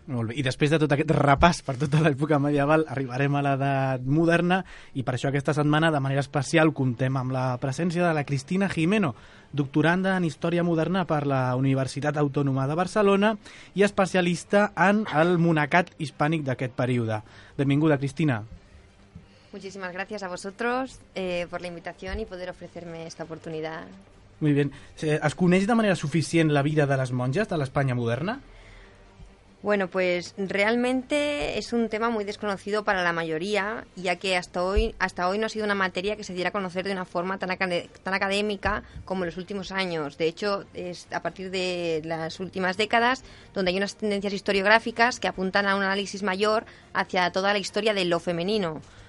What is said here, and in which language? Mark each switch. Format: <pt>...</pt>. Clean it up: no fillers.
<ca>Molt bé. I després de tot aquest repàs per tota l'època medieval, arribarem a l'edat moderna, i per això aquesta setmana, de manera especial, comptem amb la presència de la Cristina Gimeno, doctoranda en Història Moderna per la Universitat Autònoma de Barcelona i especialista en el monacat hispànic d'aquest període. Benvinguda, Cristina.</ca> <es>Muchísimas gracias a vosotros por la invitación y poder ofrecerme esta oportunidad. Muy bien.</es> <ca>¿Es coneix de manera suficient la vida de les monges de l'Espanya moderna?</ca> <es>Bueno, pues realmente es un tema muy desconocido para la mayoría, ya que hasta hoy no ha sido una materia que se diera a conocer de una forma tan académica como en los últimos años. De hecho, es a partir de las últimas décadas donde hay unas tendencias historiográficas que apuntan a un análisis mayor hacia toda la historia de lo femenino.</es>